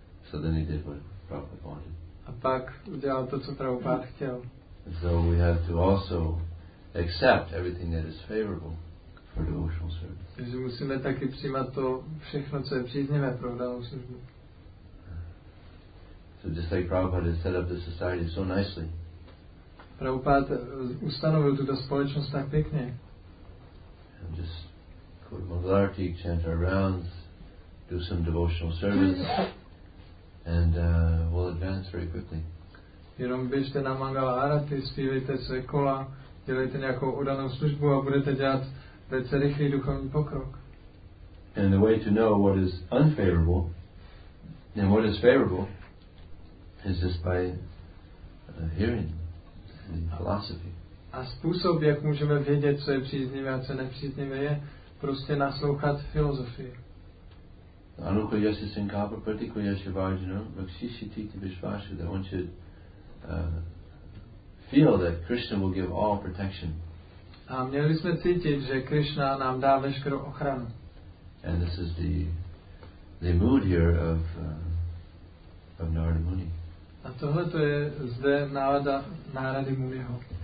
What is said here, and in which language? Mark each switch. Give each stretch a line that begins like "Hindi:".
English: So then he did what Prabhupada wanted.
Czech: A pak udělal to, co Prabhupada chtěl.
English: So we have to also accept everything that is favorable for devotional service.
Czech: Takže musíme taky přijímat to všechno, co je příznivé pro danou službu.
English: So just like Prabhupada set up the society so nicely.
Czech: Prabhupada ustanovil tuto společnost tak pěkně.
English: And just go to Mangalarti, chant our rounds, do some devotional service, and we'll advance very quickly.
Czech: Jenom běžte na Mangalarti, zpívejte své kola, dělejte nějakou udanou službu a budete dělat velice rychlý duchovní pokrok.
English: And the way to know what is unfavorable and what is favorable is just by hearing the philosophy.
Czech: A způsob, jak můžeme vědět, co je příznivé a co nepříznivé, je prostě naslouchat filozofii.
Sanskrit: Anuko jasi sankapa pratiko jasi vajjano vakshishi titi vishvashida.
English: I want you to feel that Krishna will give all protection.
Czech: A měli jsme cítit, že Krishna nám dá veškerou ochranu.
English: And this is the mood here of Narada Muni.
Czech: A tohle to je zde nálada Narady Muniho.